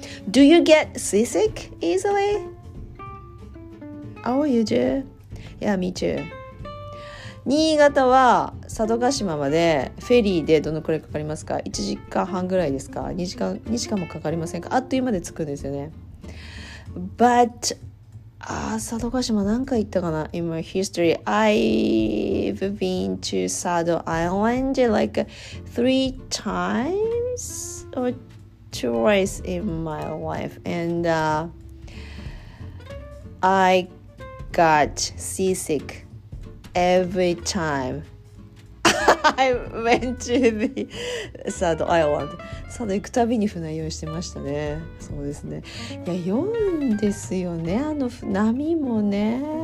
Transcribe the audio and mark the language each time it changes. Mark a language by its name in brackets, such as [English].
[English] Do you get seasick easily? Oh, you do? Yeah, me too。 [Japanese] 新潟は佐渡島までフェリーでどのくらいかかりますか？ 1時間半ぐらいですか？2時間もかかりませんか？あっという間で着くんですよね。 [English] But [Japanese] 佐渡島何回行ったかな。 [English] In my history I've been to Sado Island like 3 times or twice in my life, and I got seasick every time I went to the Sado Island。 [Japanese] サド行くたびに船酔いしてましたね。そうですね、いや酔うんですよね、あの波もね。